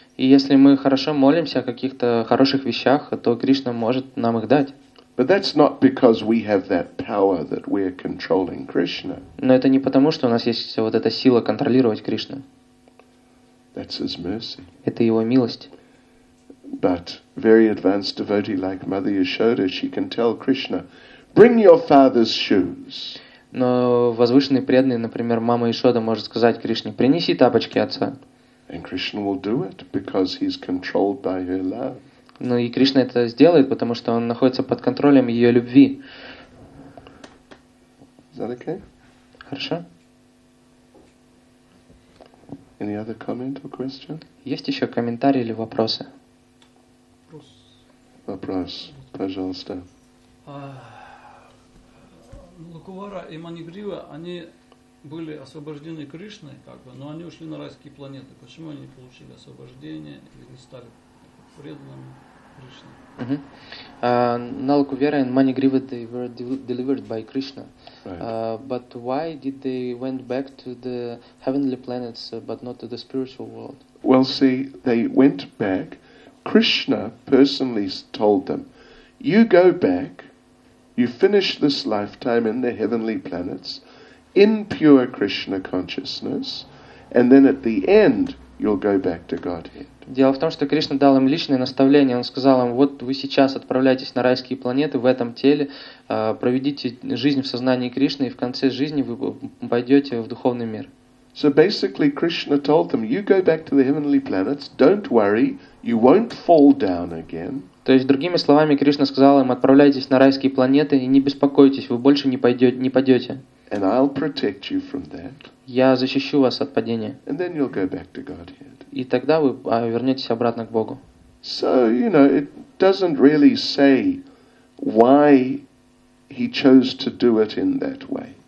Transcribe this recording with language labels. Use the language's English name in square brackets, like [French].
[Russian] И если мы хорошо молимся о каких-то хороших вещах, то Кришна может нам их дать. [English] But that's not because we have that power that we are controlling Krishna. [Russian] Но это не потому, что у нас есть вот эта сила контролировать Кришну. [English] That's his mercy. [Russian] Это его милость. [English] But very advanced devotee like Mother Yashoda, she can tell Krishna, bring your father's shoes. [Russian] Но возвышенный преданный, например, мама Ишода, может сказать Кришне, принеси тапочки отца. [English] And Krishna will do it because he's controlled by her love. [Russian] Ну и Кришна это сделает, потому что он находится под контролем ее любви. [English] Is that okay? [Russian] Хорошо. [English] Yeah. Any other comment or question? [Russian] Есть еще комментарии или вопросы? Вопрос, пожалуйста. Лукувара и Манигрива, они были освобождены Кришной, как бы, но они ушли на райские планеты. Почему они не получили освобождение и не стали преданными Кришне? [English] Налкувара и Манигрива, they were delivered by Krishna. Right. But why did they went back to the heavenly planets, but not to the spiritual world? Well, see, they went back. Krishna personally told them, "You go back. You finish this lifetime in the heavenly planets, in pure Krishna consciousness, and then at the end you'll go back to Godhead." [Russian] Дело в том, что Кришна дал им личное наставление. Он сказал им: вот вы сейчас отправляетесь на райские планеты в этом теле, проведите жизнь в сознании Кришны, и в конце жизни вы пойдете в духовный мир. [English] So basically, Krishna told them, "You go back to the heavenly planets. Don't worry, you won't fall down again." [Russian] То есть другими словами, Кришна сказал им: отправляйтесь на райские планеты и не беспокойтесь, вы больше не пойдете. [English] And I'll protect you from that. [Russian] Я защищу вас от падения. [English] And then you'll go back to Godhead. [Russian] И тогда вы вернетесь обратно к Богу. [English] So, you know, it doesn't really say why he chose to do it in that way.